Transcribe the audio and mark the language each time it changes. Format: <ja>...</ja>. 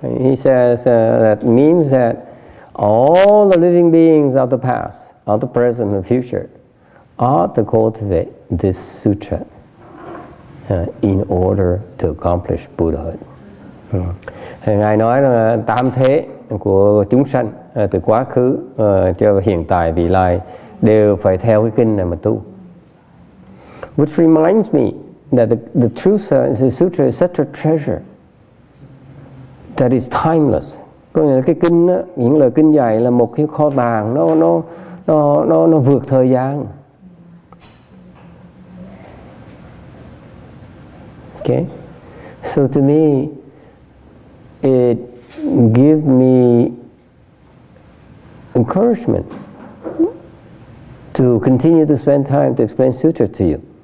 <en>He says that means that all the living beings of the past, of the present and the future ought to cultivate this sutra in order to accomplish Buddhahood.</en> <vi>Ngài nói là tam thế của chúng sanh từ quá khứ cho hiện tại vị lai đều phải theo cái kinh này mà tu.</vi> <en>Which reminds me that the truth is the sutra is such a treasure that is timeless.</en> <vi>Có nghĩa là cái kinh đó, những lời kinh dạy là một cái kho tàng nó vượt thời gian.</vi> <en>Okay, so to me it give me encouragement to continue to spend time to explain sutra to you.</en>